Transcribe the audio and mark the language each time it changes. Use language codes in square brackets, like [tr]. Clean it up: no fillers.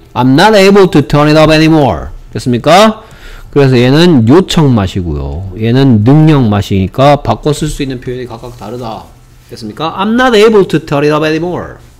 [en] I'm not able to turn it up anymore. [ko] 됐습니까? 그래서 얘는 요청 맛이고요. 얘는 능력 맛이니까 바꿔 쓸 수 있는 표현이 각각 다르다. 됐습니까? [en] I'm not able to turn it up anymore.